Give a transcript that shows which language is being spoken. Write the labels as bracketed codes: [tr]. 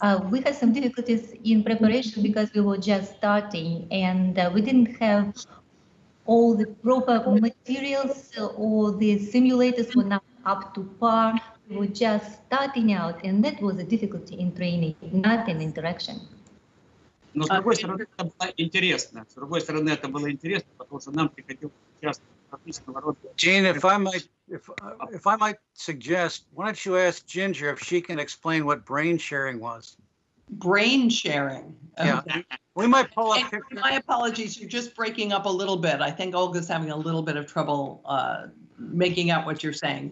[en] We had some difficulties in preparation because we were just starting and we didn't have all the proper materials or the simulators were not up to par. We were just starting out, and that was a difficulty in training, not in interaction. [ru] Но с другой стороны, это было интересно. С другой стороны, это было интересно, потому что нам приходилось участвовать в различного рода. [en] Jeanne, if I might suggest, why don't you ask Ginger if she can explain what brain sharing was? Brain sharing. Yeah. We might pull up. My apologies. You're just breaking up a little bit. I think Olga's having a little bit of trouble making out what you're saying.